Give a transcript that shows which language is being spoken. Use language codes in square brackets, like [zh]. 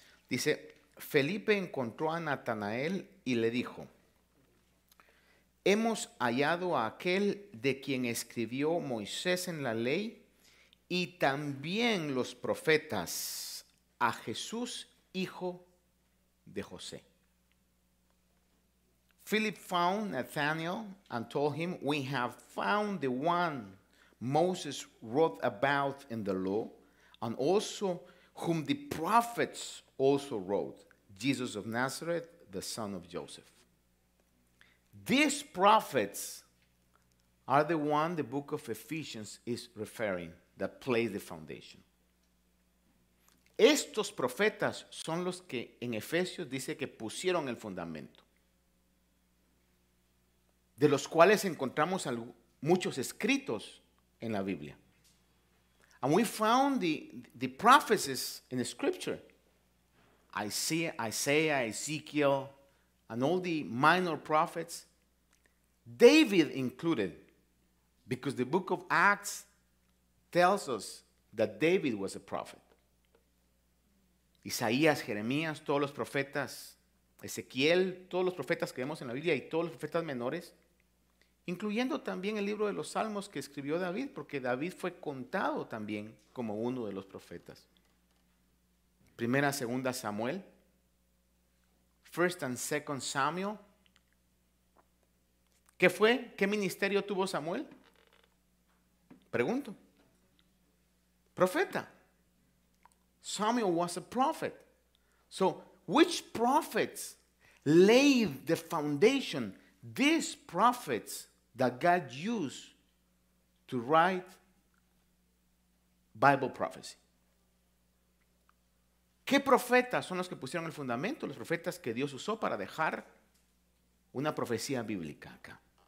[es] Dice, Felipe encontró a Natanael y le dijo, hemos hallado a aquel de quien escribió Moisés en la ley y también los profetas, a Jesús hijo de José. [en] Philip found Nathanael and told him, we have found the one Moses wrote about in the law, and also whom the prophets also wrote, Jesus of Nazareth, the son of Joseph. These prophets are the one the book of Ephesians is referring that plays the foundation. [es] Estos profetas son los que en Efesios dice que pusieron el fundamento, de los cuales encontramos muchos escritos en la Biblia. [en] And we found the prophecies in the scripture. Isaiah, Ezekiel, and all the minor prophets. David included, because the book of Acts tells us that David was a prophet. [es] Isaías, Jeremías, todos los profetas, Ezequiel, todos los profetas que vemos en la Biblia y todos los profetas menores, incluyendo también el libro de los Salmos que escribió David, porque David fue contado también como uno de los profetas. Primera, segunda Samuel, [en] First and Second Samuel. [es] ¿Qué fue? ¿Qué ministerio tuvo Samuel? Pregunto. Profeta. [en] Samuel was a prophet. So, which prophets laid the foundation? These prophets that God used to write Bible prophecy. [es] ¿Qué profetas son los que pusieron el fundamento? Los profetas que Dios usó para dejar una profecía bíblica acá.